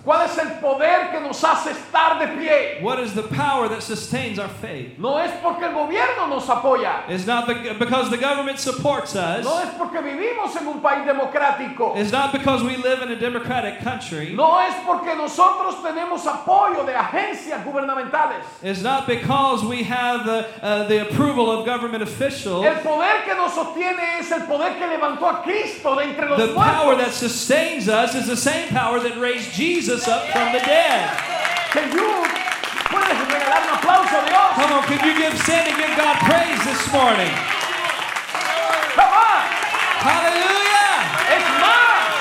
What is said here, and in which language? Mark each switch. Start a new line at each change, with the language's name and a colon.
Spanish: ¿Cuál es el poder que nos hace estar de pie?
English: What is the power that sustains our faith?
Spanish: No es porque el gobierno nos apoya.
English: It's not because the government supports us.
Spanish: No es porque vivimos en un país democrático.
English: It's not because we live in a democratic country.
Spanish: No es porque nosotros tenemos apoyo de agencias gubernamentales.
English: It's not because we have the approval of government officials.
Spanish: El poder que nos sostiene es el poder que levantó a Cristo de entre los
English: the
Spanish: muertos.
English: The power that sustains us is the same power that raised Jesus up from the dead. Can you
Spanish: regalar un aplauso a Dios?
English: Come on, can you give sin and give God praise this morning? Come on. Hallelujah. It's more.